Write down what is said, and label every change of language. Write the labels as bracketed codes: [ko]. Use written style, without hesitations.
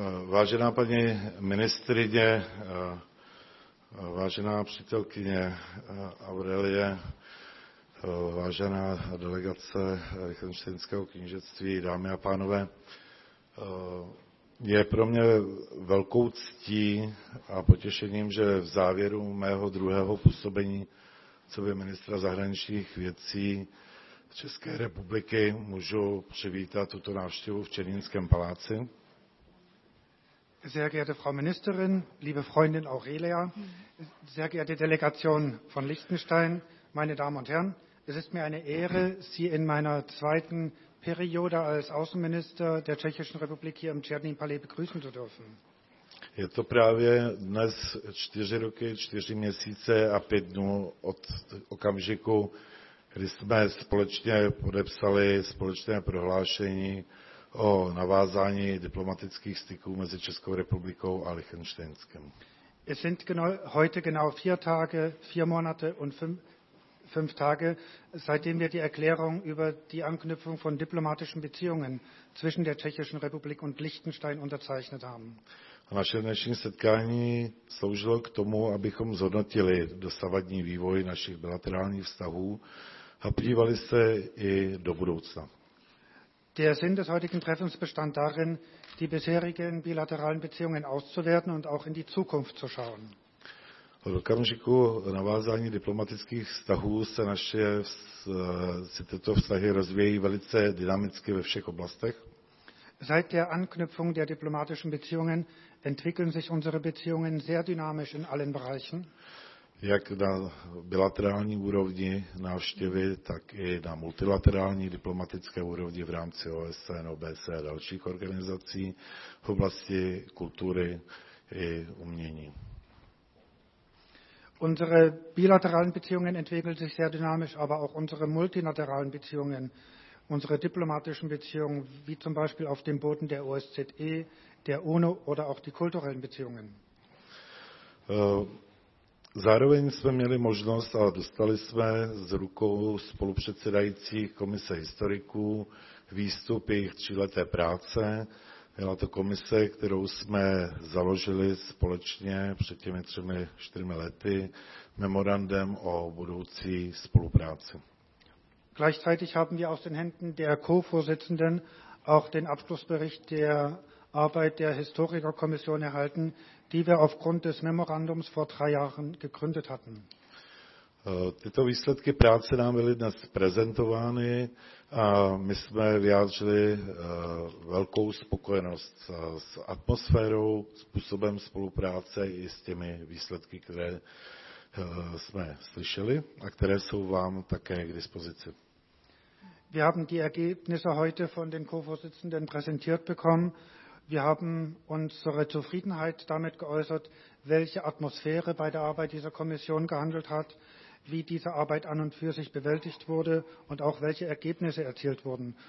[cs] Vážená paní ministryně, vážená přítelkyně Aurelie, vážená delegace Lichtenštejnského knížectví, dámy a pánové, je pro mě velkou ctí a potěšením, že v závěru mého druhého působení coby ministra zahraničních věcí České republiky můžu přivítat tuto návštěvu v Černínském paláci. [de] Sehr geehrte Frau Ministerin, liebe Freundin Aurelia, sehr geehrte Delegation von Liechtenstein, meine Damen und Herren, es ist mir eine Ehre, Sie in meiner zweiten Periode als Außenminister der Tschechischen Republik hier im Černín Palais begrüßen zu dürfen. [cs] Je to právě dnes 4 roky, 4 měsíce a 5 dnů od okamžiku, kdy jsme společně podepsali společné prohlášení o navázání diplomatických styků mezi Českou republikou a Lichtenštejnskem. [de] Es sind heute genau 4 Tage, 4 Monate und 5 Tage, seitdem wir die Erklärung über die Anknüpfung von diplomatischen Beziehungen zwischen der Tschechischen Republik und Liechtenstein unterzeichnet haben. [cs] Naše dnešní setkání sloužilo k tomu, abychom zhodnotili dosavadní vývoj našich bilaterálních vztahů a podívali se i do budoucna. [de] Der Sinn des heutigen Treffens bestand darin, die bisherigen bilateralen Beziehungen auszuwerten und auch in die Zukunft zu schauen. [cs] Od okamžiku navázání diplomatických vztahů se naše se tyto vztahy rozvíjí velice dynamicky ve všech oblastech. [de] Seit der Anknüpfung der diplomatischen Beziehungen entwickeln sich unsere Beziehungen sehr dynamisch in allen Bereichen. [cs] Jak na bilaterální úrovni návštěvy, tak i na multilaterální diplomatické úrovni v rámci OSN, OBSE a dalších organizací v oblasti kultury i umění. [de] Unsere bilateralen Beziehungen entwickeln sich sehr dynamisch, aber auch unsere multilateralen Beziehungen, unsere diplomatischen Beziehungen, wie zum Beispiel auf dem Boden der OSZE, der UNO oder auch die kulturellen Beziehungen. [cs] Zároveň jsme měli možnost a dostali jsme z rukou spolupředsedající komise historiků výstup jejich tříleté práce. Byla to komise, kterou jsme založili společně před těmi 3-4 lety memorandem o budoucí spolupráci. [de] Gleichzeitig haben wir aus den Händen der Co-Vorsitzenden auch den Abschlussbericht der Arbeit der Historikerkommission erhalten, die wir aufgrund des Memorandums vor 3 Jahren gegründet hatten. [cs] Tyto výsledky práce nám byly dnes prezentovány a my jsme vyjádřili velkou spokojenost s atmosférou, způsobem spolupráce i s těmi výsledky, které jsme slyšeli a které jsou vám také k dispozici. [de] Wir haben die Ergebnisse heute von den Co-Vorsitzenden präsentiert bekommen. Wir haben unsere Zufriedenheit damit geäußert, welche Atmosphäre bei der Arbeit dieser Kommission gehandelt hat, wie diese Arbeit an und für sich bewältigt wurde und auch welche Ergebnisse erzielt wurden.